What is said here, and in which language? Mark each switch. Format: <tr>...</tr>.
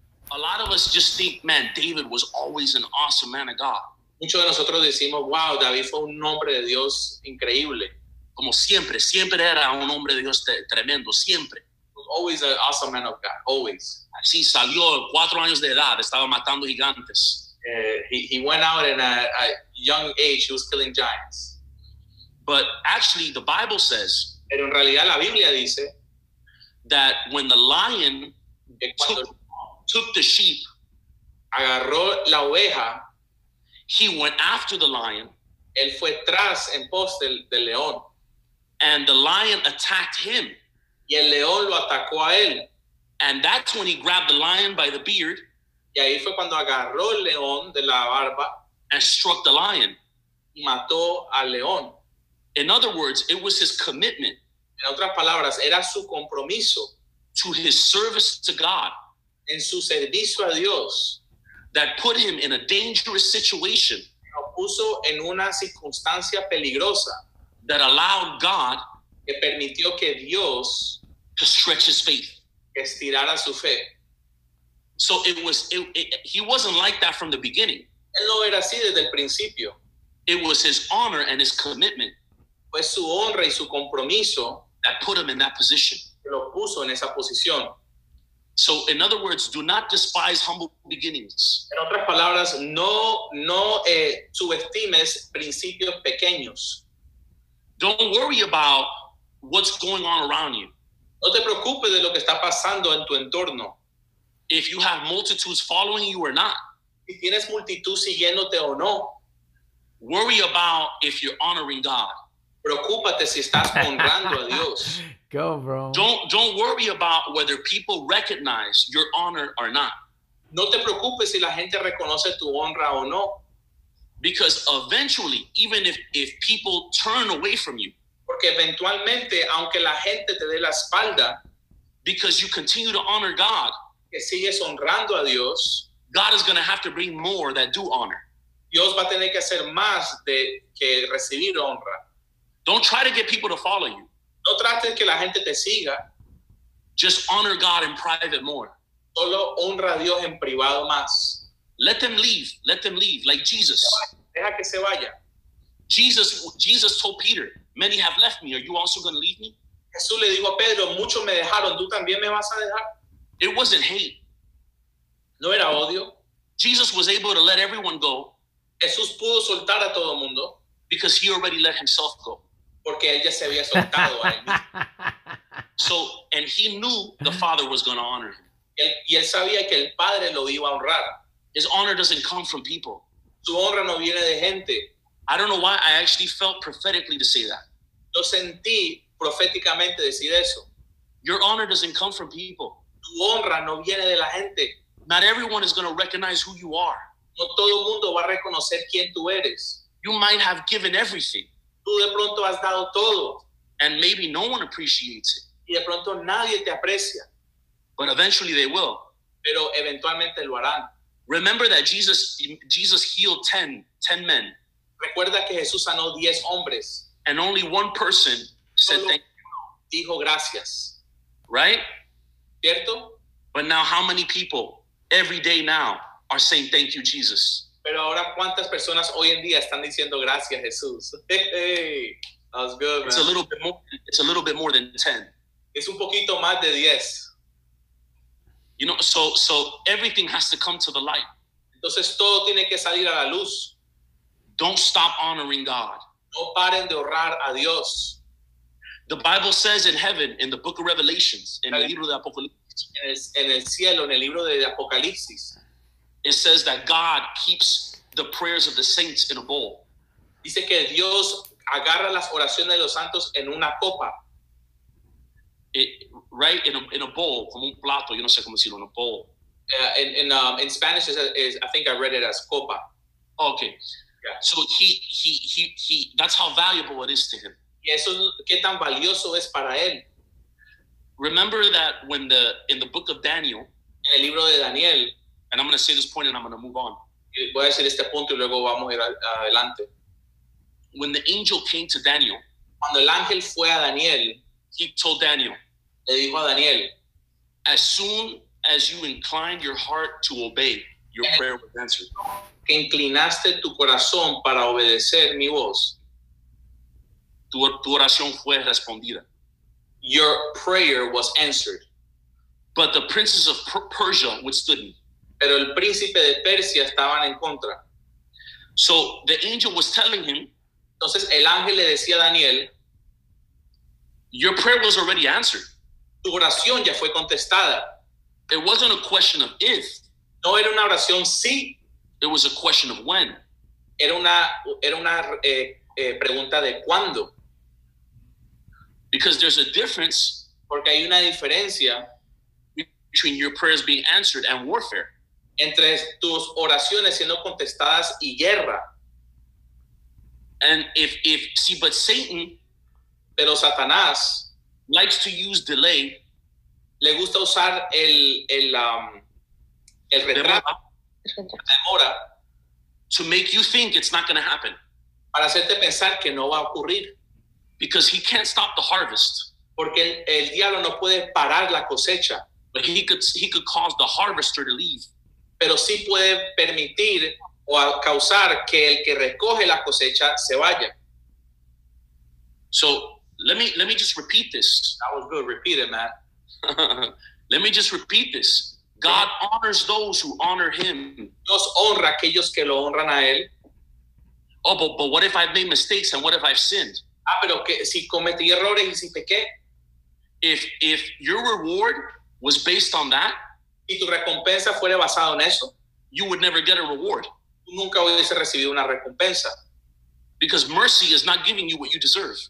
<en>A lot of us just think, man, David was always an awesome man of God.</en> <es>Muchos de nosotros decimos, wow, David fue un hombre de Dios increíble. Como siempre, siempre era un hombre de Dios tremendo, siempre.</es> <en>Always an awesome man of God, always.</en> <es>Así salió, 4 años de edad, estaba matando gigantes.</es> <en>He went out in a young age, he was killing giants. But actually, the Bible says,</en> <es>pero en realidad la Biblia dice,</es> <en>that when the lion took the sheep,</en> <es>agarró la oveja,</es> <en>he went after the lion,</en> <es>él fue tras en pos del león,</es> <en>and the lion attacked him,</en> <es>y el león lo atacó a él,</es> <en>and that's when he grabbed the lion by the beard,</en> <es>y ahí fue cuando agarró el león de la barba,</es> <en>and struck the lion,</en> <es>y mató al león.</es> <en>In other words, it was his commitment,</en> <es>en otras palabras, era su compromiso,</es> <en>to his service to God,</en> <es>en su servicio a Dios,</es> <en>that put him in a dangerous situation,</en> <es>lo puso en una circunstancia peligrosa,</es> <en>that allowed God,</en> <es>que permitió que Dios,</es> <en>to stretch his faith,</en> <es>estirara su fe.</es> <en>So he wasn't like that from the beginning.</en> <es>Él no era así desde el principio.</es> <en>It was his honor and his commitment.</en> <es>Fue su honra y su compromiso</es> <en>that put him in that position.</en> <es>Que lo puso en esa posición.</es> <en>So in other words, do not despise humble beginnings.</en> <es>En otras palabras, no subestimes principios pequeños.</es> <en>Don't worry about what's going on around you.</en> <es>No te preocupes de lo que está pasando en tu entorno.</es> <en>If you have multitudes following you or not.</en> <es>Si tienes multitud siguiéndote o no.</es> <en>Worry about if you're honoring God.</en> <es>Preocúpate si estás honrando a Dios.</es> <en>Go, bro. Don't worry about whether people recognize your honor or not.</en> <es>No te preocupes si la gente reconoce tu honra o no.</es> <en>Because eventually, even if people turn away from you,</en> <es>porque eventualmente, aunque la gente te dé la espalda,</es> <en>because you continue to honor God,</en> <es>que sigues honrando a Dios,</es> <en>God is going to have to bring more that do honor.</en> <es>Dios va a tener que hacer más de que recibir honra.</es> <en>Don't try to get people to follow you.</en> <es>No trates que la gente te siga.</es> <en>Just honor God in private more.</en> <es>Solo honra a Dios en privado más.</es> <en>Let them leave. Let them leave. Like Jesus.</en> <es>Deja que se vaya.</es> <en>Jesus told Peter, many have left me. Are you also going to leave me?</en> <es>Jesús le dijo a Pedro, muchos me dejaron. ¿Tú también me vas a dejar?</es> <en>It wasn't hate.</en> <es>No era odio.</es> <en>Jesus was able to let everyone go.</en> <es>Jesús pudo soltar a todo el mundo.</es> <en>Because he already let himself go.</en> <es>Porque él ya se había soltado a él.</es> <en>So, and he knew the Father was going to honor him.</en> <es>Y él sabía que el Padre lo iba a honrar.</es> <en>His honor doesn't come from people.</en> <es>Su honra no viene de gente.</es> <en>I don't know why I actually felt prophetically to say that.</en> <es>Lo sentí proféticamente decir eso.</es> <en>Your honor doesn't come from people.</en> <es>Tu honra no viene de la gente.</es> <en>Not everyone is going to recognize who you are.</en> <es>No todo mundo va a reconocer quién tú eres.</es> <en>You might have given everything.</en> <es>Tú de pronto has dado todo.</es> <en>And maybe no one appreciates it.</en> <es>Y de pronto nadie te aprecia.</es> <en>But eventually they will.</en> <es>Pero eventualmente lo harán.</es> <en>Remember that Jesus healed 10 men.</en> <es>Recuerda que Jesús sanó 10 hombres.</es> <en>And only one person said thank you.</en> <es>Dijo gracias.</es> <en>Right?</en> <es>¿Cierto?</es> <en>But now how many people every day now are saying thank you, Jesus?</en> <es>Pero ahora cuántas personas hoy en día están diciendo gracias, Jesús.</es> <en>Hey, that was good, man. It's a little bit more than 10.</en> <es>Es un poquito más de 10.</es> <en>You know, so everything has to come to the light.</en> <es>Entonces todo tiene que salir a la luz.</es> <en>Don't stop honoring God.</en> <es>No paren de honrar a Dios.</es> <en>The Bible says in heaven, in the book of Revelations,</en> <es>en el libro de Apocalipsis. En el cielo, en el libro de Apocalipsis.</es> <en>It says that God keeps the prayers of the saints in a bowl.</en> <es>Dice que Dios agarra las oraciones de los santos en una copa.</es> <en>Right, in a bowl,</en> <es>como un plato, yo no sé cómo decirlo,</es> <en>in a bowl. In Spanish, is I think I read it as copa. Okay. Yeah. So he that's how valuable it is to him.</en> <es>Y eso, ¿qué tan valioso es para él?</es> <en>Remember that when in the book of Daniel.</en> <es>En el libro de Daniel.</es> <en>And I'm going to say this point and I'm going to move on.</en> <es>Voy a decir este punto y luego vamos a ir adelante.</es> <en>When the angel came to Daniel.</en> <es>Cuando el ángel fue a Daniel.</es> <en>He told Daniel.</en> <es>Le dijo a Daniel.</es> <en>As soon as you inclined your heart to obey, your prayer was answered.</en> <es>Que inclinaste tu corazón para obedecer mi voz. Tu oración fue respondida.</es> <en>Your prayer was answered. But the princes of Persia withstood me.</en> <es>Pero el príncipe de Persia estaban en contra.</es> <en>So the angel was telling him.</en> <es>Entonces el ángel le decía a Daniel.</es> <en>Your prayer was already answered.</en> <es>Tu oración ya fue contestada.</es> <en>It wasn't a question of if.</en> <es>No era una oración sí.</es> <en>It was a question of when.</en> <es>Era una pregunta de cuándo.</es> <en>Because there's a difference.</en> <es>Porque hay una diferencia.</es> <en>Between your prayers being answered and warfare.</en> <es>Entre tus oraciones siendo contestadas y guerra.</es> <en>And but Satan.</en> <es>Pero Satanás.</es> <en>Likes to use delay.</en> <es>Le gusta usar el retraso. Demora.</es> <en>To make you think it's not going to happen.</en> <es>Para hacerte pensar que no va a ocurrir.</es> <en>Because he can't stop the harvest.</en> <es>Porque el diablo no puede parar la cosecha.</es> <en>But he could cause the harvester to leave.</en> <es>Pero sí puede permitir o causar que el que recoge la cosecha se vaya.</es> <en>So let me just repeat this. That was good. Repeat it, Matt. Let me just repeat this. God honors those who honor him.</en> <es>Dios honra a aquellos que lo honran a él.</es> <en>Oh, but what if I've made mistakes and what if I've sinned?</en> <es>Ah, pero que si cometí errores y si pequé.</es> <en>If your reward was based on that,</en> <es>y tu recompensa fuera basada en eso,</es> <en>you would never get a reward.</en> <es>Tú nunca hubiese recibido una recompensa.</es> <en>Because mercy is not giving you what you deserve.</en>